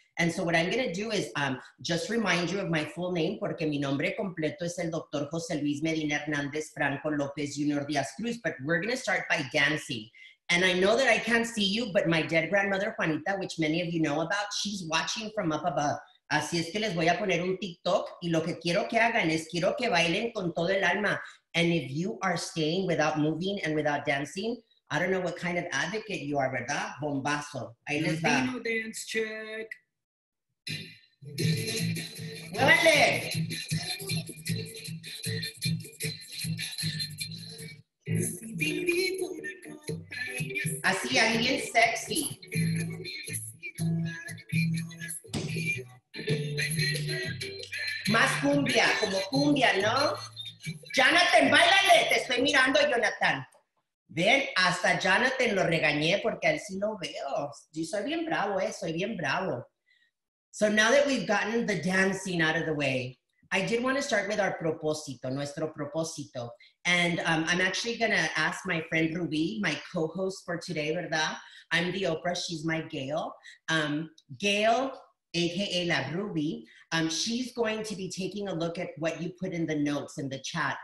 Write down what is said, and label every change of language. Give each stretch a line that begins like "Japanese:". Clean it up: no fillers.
English: And so what I'm going to do is just remind you of my full name,
Spanish: porque mi nombre completo es el Dr. José Luis Medina Hernández Franco López Jr.
English: Díaz Cruz, but we're going to start by dancing. And I know that I can't see you, but my dead grandmother Juanita, which many of you know about, she's watching from up above.
Spanish: Así es que les voy a poner un TikTok, y lo que quiero que hagan es quiero que bailen con todo el alma.
English: And if you are staying without moving and without dancing, I don't know what kind of advocate you are, ¿verdad?
Spanish: Bombazo. Ahí les va.
English: Latino dance check.
Spanish: ¡Muévele! Así, ahí bien sexy. Más cumbia, como cumbia, ¿no? Jonathan, báilale, te estoy mirando, Jonathan. Ven, hasta Jonathan lo regañé porque él sí lo veo. Yo soy bien bravo, soy bien bravo.
English: So now that we've gotten the dancing out of the way, I did want to start with our propósito,
Spanish: nuestro propósito.
English: And I'm actually going to ask my friend Ruby, my co-host for today, ¿verdad? I'm the Oprah, she's my Gail. Gail, aka La Ruby, she's going to be taking a look at what you put in the notes in the chat.